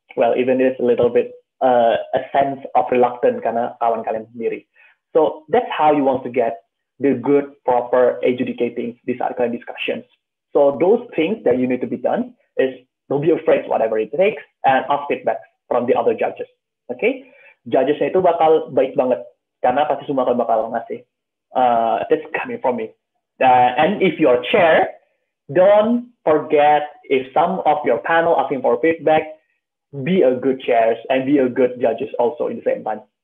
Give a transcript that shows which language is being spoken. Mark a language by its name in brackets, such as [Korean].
[English] Well, even if it's a little bit a sense of reluctant [Indonesian] karena kawan kalian sendiri. [English] So that's how you want to get the good, proper adjudicating these are kind of discussions. So those things that you need to be done is don't be afraid whatever it takes and ask feedback from the other judges. Okay? [Indonesian] Judgesnya itu bakal baik banget karena pasti semua akan bakal ngasih. [English] That's coming from me. And if you're chair, don't forget if some of your panel asking for feedback, be a good chair and be a good judges also in the same time.